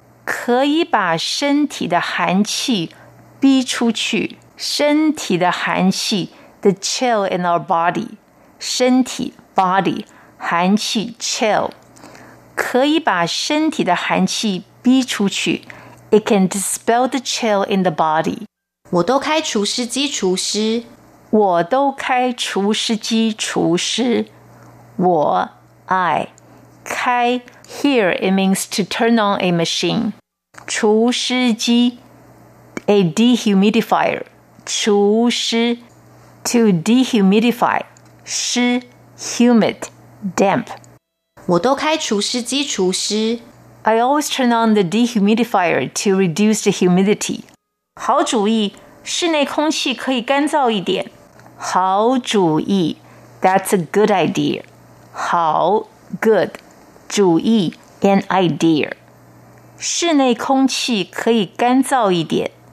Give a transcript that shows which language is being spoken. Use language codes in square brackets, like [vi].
[zh] 可以把身体的寒气逼出去。身体的寒气, [en] the chill in our body. [zh] 身体 body, 寒气 chill. 可以把身体的寒气逼出去。 [en] It can dispel the chill in the body. [zh] 我都开除湿机除湿。我都开除湿机除湿。我 I 开 [en] Here it means to turn on a machine. 除湿机 A dehumidifier. 除湿 To dehumidify 湿 Humid Damp [zh] 我都开除湿机除湿。 [en] I always turn on the dehumidifier to reduce the humidity. [zh] 好主意,室内空气可以干燥一点。好主意 [en] that's a good idea. 好 good, 主意 an idea. [zh] 室内空气可以干燥一点。